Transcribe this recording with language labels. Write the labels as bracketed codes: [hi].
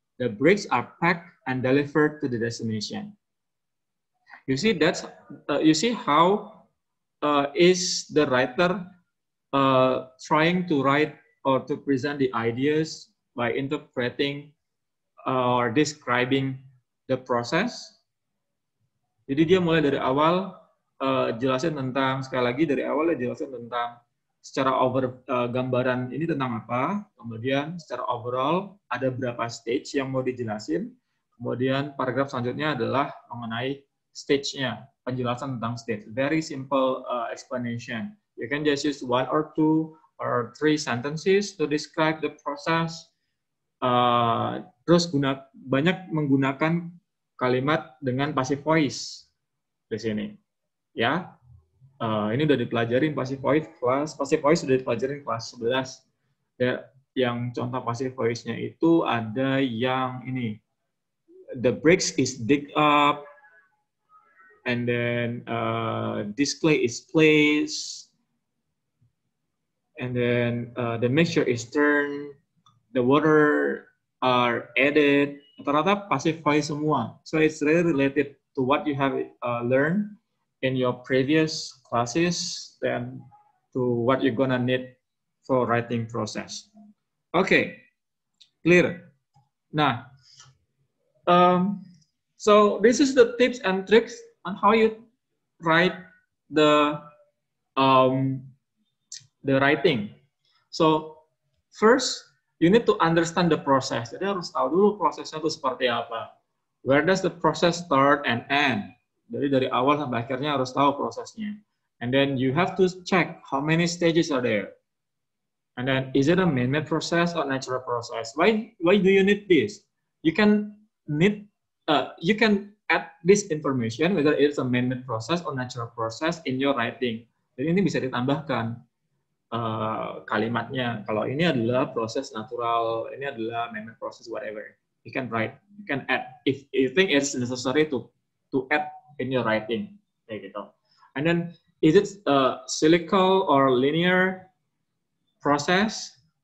[en] The bricks are packed and delivered to the destination. You see that's you see how is the writer trying to write or to present the ideas by interpreting or describing the process. [id] Jadi dia mulai dari awal jelasin tentang sekali lagi dari awal dia jelasin tentang secara over gambaran ini tentang apa, kemudian secara overall ada berapa stage yang mau dijelasin, kemudian paragraf selanjutnya adalah mengenai stage-nya, penjelasan tentang stage. [en] Very simple explanation. You can just use one or two or three sentences to describe the process. [id] Terus guna banyak menggunakan kalimat dengan passive voice di sini. Ya. Ini udah dipelajarin passive voice kelas, passive voice udah dipelajarin kelas 11. Ya, yang contoh passive voice-nya itu ada yang ini. [en] The bricks is dig up. And then display is placed, and then the mixture is turned, the water are added. [id] Rata-rata passive voice semua. [en] So it's really related to what you have learned in your previous classes, then to what you're gonna need for writing process. Okay, clear. Nah, so this is the tips and tricks on how you write the writing. So first you need to understand the process. [id] Jadi harus tahu dulu prosesnya itu seperti apa. [en] Where does the process start and end? [id] Jadi dari awal sampai akhirnya harus tahu prosesnya. [en] And then you have to check how many stages are there. And then is it a man-made process or natural process? Why do you need this? You can add this information, whether it's a man-made process or natural process in your writing. [id] Jadi ini bisa ditambahkan kalimatnya. Kalau ini adalah proses natural, ini adalah man-made process, whatever. [en] You can write, you can add. If you think it's necessary to add in your writing. [id] Kayak gitu. [en] And then, is it a silical or linear process?